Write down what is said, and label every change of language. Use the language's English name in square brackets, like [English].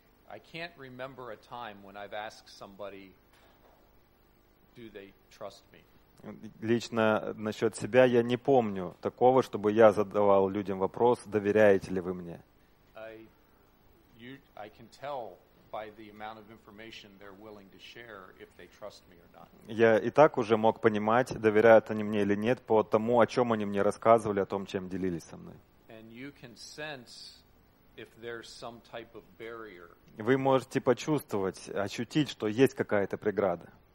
[English] I can't remember a time when I've asked somebody, do they trust me? [Russian] Лично насчет себя я не помню такого, чтобы я задавал людям вопрос, доверяете ли вы мне. [English] I can tell by the amount of information they're willing to share if they trust me or not. [Russian] Я и так уже мог понимать, доверяют они мне или нет, по тому, о чем они мне рассказывали, о том, чем делились со мной. [English] And you can sense if there's some type of barrier. [Russian] Вы можете почувствовать, ощутить, что есть какая-то преграда.